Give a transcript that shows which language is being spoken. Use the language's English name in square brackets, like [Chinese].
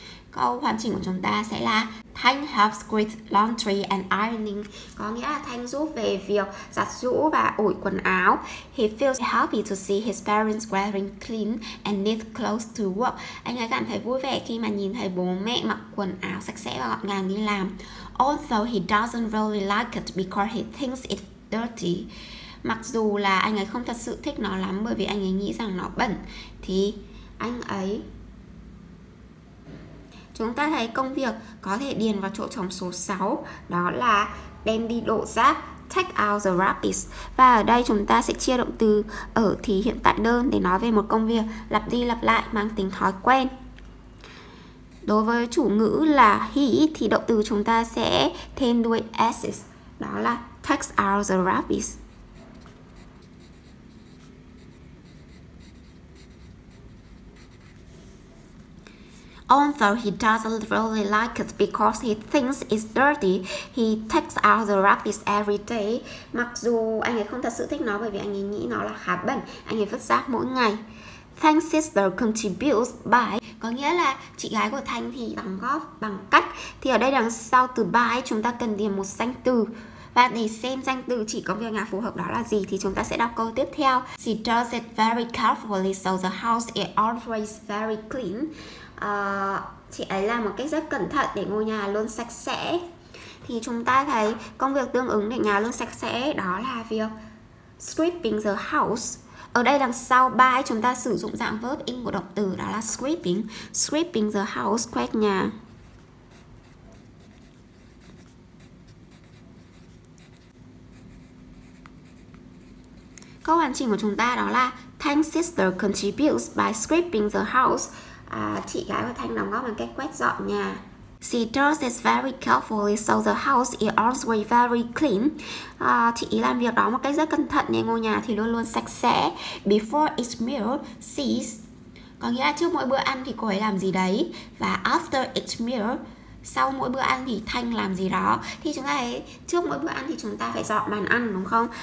[Vietnamese] Câu hoàn chỉnh của chúng ta sẽ là Thanh [English] helps with laundry and ironing. [Vietnamese] Có nghĩa là Thanh giúp về việc giặt giũ và ủi quần áo. [English] He feels happy to see his parents wearing clean and neat clothes to work. [Vietnamese] Anh ấy cảm thấy vui vẻ khi mà nhìn thấy bố mẹ mặc quần áo sạch sẽ và gọn gàng đi làm. [English] Although he doesn't really like it because he thinks it's dirty. [Vietnamese] Mặc dù là anh ấy không thật sự thích nó lắm bởi vì anh ấy nghĩ rằng nó bẩn. Thì anh ấy... Chúng ta thấy công việc có thể điền vào chỗ trống số 6, đó là đem đi đổ rác, [English] take out the rubbish. [Vietnamese] Và ở đây chúng ta sẽ chia động từ ở thì hiện tại đơn để nói về một công việc lặp đi lặp lại mang tính thói quen. Đối với chủ ngữ là he thì động từ chúng ta sẽ thêm đuôi s, đó là [English] take out the rubbish. Although he doesn't really like it because he thinks it's dirty, he takes out the rubbish every day. [Vietnamese] Mặc dù anh ấy không thật sự thích nó bởi vì anh ấy nghĩ nó là khá bẩn, anh ấy vứt rác mỗi ngày. [English] Thanh sister contributes by, [Vietnamese] có nghĩa là chị gái của Thanh thì đóng góp bằng cách. Thì ở đây đằng sau từ by chúng ta cần điền một danh từ. Và để xem danh từ chỉ có việc nhà phù hợp đó là gì thì chúng ta sẽ đọc câu tiếp theo. [English] She does it very carefully so the house is always very clean. [Vietnamese] Chị ấy làm một cách rất cẩn thận để ngôi nhà luôn sạch sẽ. Thì chúng ta thấy công việc tương ứng để nhà luôn sạch sẽ đó là việc [English] sweeping the house. [Vietnamese] Ở đây đằng sau by chúng ta sử dụng dạng verb ing của động từ đó là sweeping. [English] Sweeping the house, [Vietnamese] quét nhà. Câu hoàn chỉnh của chúng ta đó là [English] Thanh's sister contributes by sweeping the house. [Vietnamese] Chị gái của Thanh đóng góp bằng cách quét dọn nhà. [English] She does this very carefully so the house is always very clean. [Vietnamese] Chị ý làm việc đó một cách rất cẩn thận nên ngôi nhà thì luôn luôn sạch sẽ. [English] Before each meal, she's... [Vietnamese] Có nghĩa là trước mỗi bữa ăn thì cô ấy làm gì đấy. Và [English] after each meal, [Vietnamese] sau mỗi bữa ăn thì Thanh làm gì đó. Thì chúng ta thấy trước mỗi bữa ăn thì chúng ta phải dọn bàn ăn đúng không?